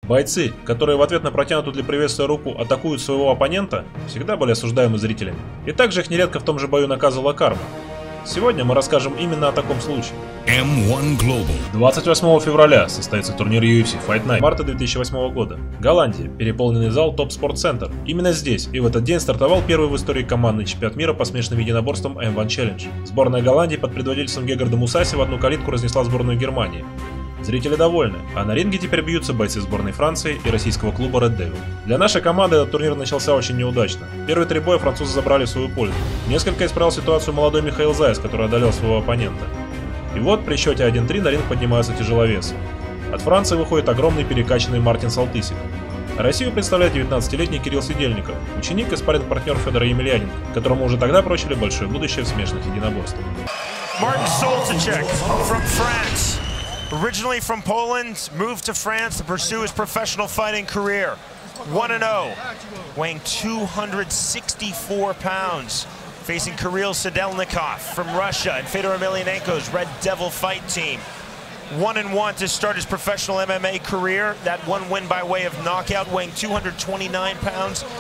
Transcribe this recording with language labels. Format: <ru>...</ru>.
<ru>Бойцы, которые в ответ на протянутую для приветствия руку атакуют своего оппонента, всегда были осуждаемы зрителями. И также их нередко в том же бою наказывала карма. Сегодня мы расскажем именно о таком случае.</ru> <en>M1 Global.</en> <ru>28 февраля состоится турнир UFC Fight Night марта 2008 года. Голландия, переполненный зал Top Sport Center. Именно здесь и в этот день стартовал первый в истории командный чемпионат мира по смешанным единоборствам M1 Challenge. Сборная Голландии под предводительством Гегарда Мусаси в одну калитку разнесла сборную Германии. Зрители довольны, а на ринге теперь бьются бойцы сборной Франции и российского клуба Red Devil. Для нашей команды этот турнир начался очень неудачно. Первые три боя французы забрали в свою пользу. Несколько исправил ситуацию молодой Михаил Заяц, который одолел своего оппонента. И вот при счете 1-3 на ринг поднимаются тяжеловесы. От Франции выходит огромный перекачанный Мартин Салтысик. Россию представляет 19-летний Кирилл Сидельников, ученик и спарринг-партнер Федора Емельяненко, которому уже тогда прочили большое будущее в смешанных единоборствах. Мартин Салтысик из Франции.</ru> <en>Originally from Poland, moved to France to pursue his professional fighting career. 1-0, weighing 264 pounds, facing Kirill Sedelnikov from Russia and Fedor Emelianenko's Red Devil fight team. 1-1 to start his professional MMA career. That one win by way of knockout, weighing 229 pounds.</en>